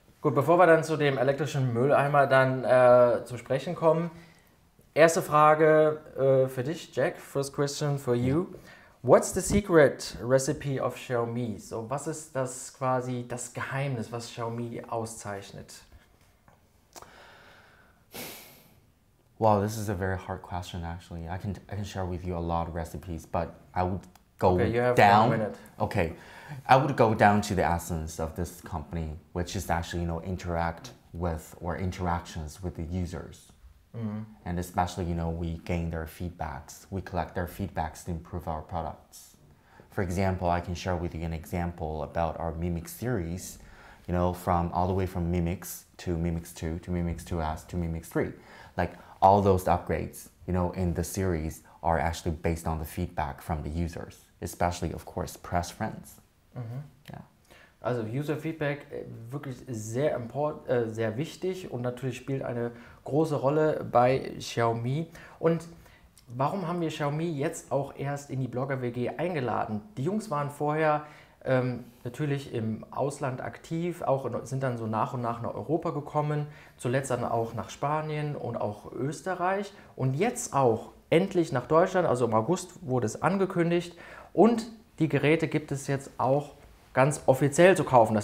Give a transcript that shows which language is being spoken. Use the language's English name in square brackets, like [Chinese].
[German] Gut, bevor wir dann zu dem elektrischen Mülleimer dann zu sprechen kommen. Erste Frage für dich, Jack. [English] First question for you. What's the secret recipe of Xiaomi? [German] So, was ist das quasi das Geheimnis, was Xiaomi auszeichnet? [English] Wow, this is a very hard question actually. I can share with you a lot of recipes, but I would go okay, you have down. 1 minute. Okay. I would go down to the essence of this company, which is actually, you know, interact with or interactions with the users. Mm-hmm. And especially, you know, we gain their feedbacks. We collect their feedbacks to improve our products. For example, I can share with you an example about our Mi Mix series, you know, from all the way from Mi Mix 2, Mi Mix 2, to Mi Mix 2S, to Mi Mix 3. Like all those upgrades, you know, in the series are actually based on the feedback from the users, especially, of course, press friends. Mm-hmm. Yeah. [German] Also User Feedback wirklich sehr important, sehr wichtig und natürlich spielt eine große Rolle bei Xiaomi. Und warum haben wir Xiaomi jetzt auch erst in die Blogger-WG eingeladen? Die Jungs waren vorher natürlich im Ausland aktiv, auch sind dann so nach und nach nach Europa gekommen, zuletzt dann auch nach Spanien und auch Österreich und jetzt auch endlich nach Deutschland, also im August wurde es angekündigt und die Geräte gibt es jetzt auch ganz offiziell zu kaufen.